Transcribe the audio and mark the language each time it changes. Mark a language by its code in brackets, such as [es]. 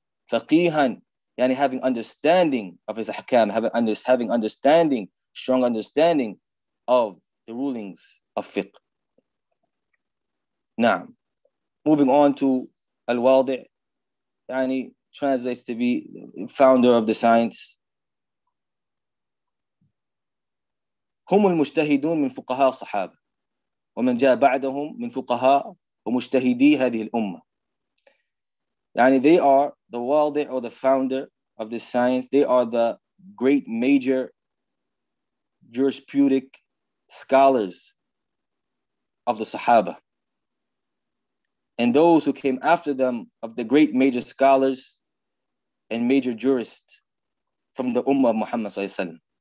[en] Faqihan, yani having understanding of his ahkam, having understanding, strong understanding of the rulings of fiqh. Now, moving on to al-wadi', yani translates to be founder of the science. [ar] هم المجتهدون من فقهاء الصحابة ومن جاء بعدهم من فقهاء ومجتهدي هذه الأمة. [en] يعني they are the wadi', or the founder of this science. They are the great major jurisprudic scholars of the Sahaba. And those who came after them of the great major scholars and major jurists from the Ummah of Muhammad sallallahu alayhi wa sallam.